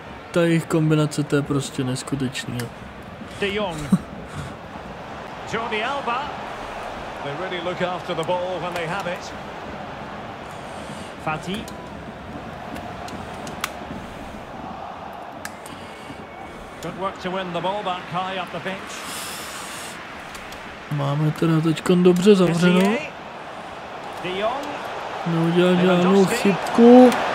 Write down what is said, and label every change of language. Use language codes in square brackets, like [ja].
[cs] Ta jejich kombinace, to je prostě neskutečný. De Jong. Jordi Alba. [en] They really look after the ball when they have it. Fati. Good work to win the ball back high up the pitch. [cs] Máme teda teďkon dobře zavřeno. De Jong. Neudělal žádnou chybku.